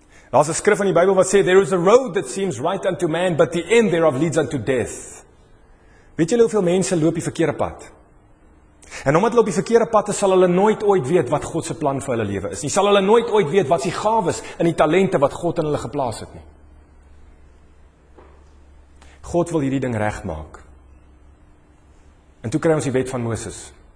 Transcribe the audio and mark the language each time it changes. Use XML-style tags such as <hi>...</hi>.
<af>Daar is 'n skrif in die Bybel wat sê,</af> <en>there is a road that seems right unto man, but the end thereof leads unto death.</en> <af>Weet julle hoeveel mense loop die verkeerde pad? En omdat hulle op die verkeerde pad is, sal hulle nooit ooit weet wat God se plan vir hulle lewe is. Nie sal hulle nooit ooit weet wat sy gawes en die talente wat God in hulle geplaas het nie. God wil hierdie ding regmaak. En toe kry ons die wet van Moses.</af>